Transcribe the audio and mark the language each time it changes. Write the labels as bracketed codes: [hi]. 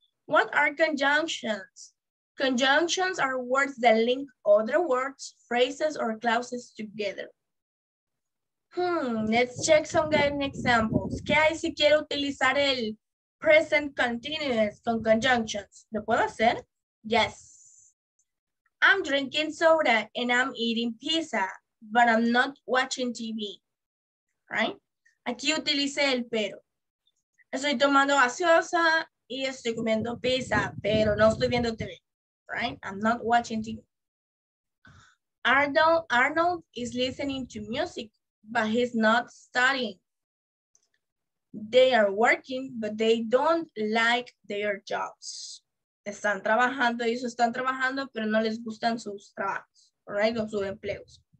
[en] What are conjunctions? Conjunctions are words that link other words, phrases, or clauses together. Let's check some good examples. [es] ¿Qué hay si quiero utilizar el present continuous con conjunctions? ¿Lo puedo hacer? Yes. [en] I'm drinking soda and I'm eating pizza, but I'm not watching TV. [es] Right? Aquí utilicé el pero. Estoy tomando gaseosa y estoy comiendo pizza, pero no estoy viendo TV. [en] Right? I'm not watching TV. Arnold is listening to music, but he's not studying. They are working, but they don't like their jobs. [es] Están trabajando, ellos están trabajando, pero no les gustan sus trabajos, right? O sus empleos.